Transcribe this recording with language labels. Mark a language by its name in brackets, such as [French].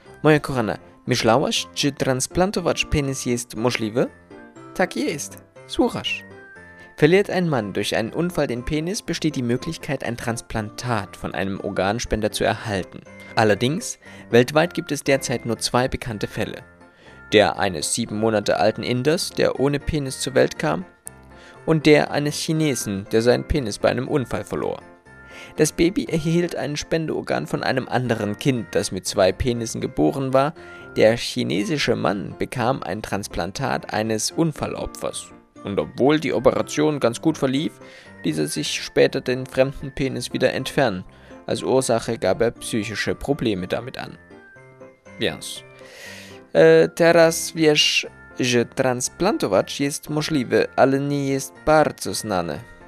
[Polish] Moja kochana, myślałaś, czy transplantować penis jest możliwy? Tak jest. Słuchasz. [German] Verliert ein Mann durch einen Unfall den Penis, besteht die Möglichkeit, ein Transplantat von einem Organspender zu erhalten. Allerdings, weltweit gibt es derzeit nur zwei bekannte Fälle. Der eines 7 Monate alten Inders, der ohne Penis zur Welt kam, und der eines Chinesen, der seinen Penis bei einem Unfall verlor. Das Baby erhielt ein Spendeorgan von einem anderen Kind, das mit 2 Penissen geboren war. Der chinesische Mann bekam ein Transplantat eines Unfallopfers. Und obwohl die Operation ganz gut verlief, ließ er sich später den fremden Penis wieder entfernen. Als Ursache gab er psychische Probleme damit an. [Polish] Więc. Teraz wiesz, że transplantować jest możliwe, ale nie jest bardzo znane.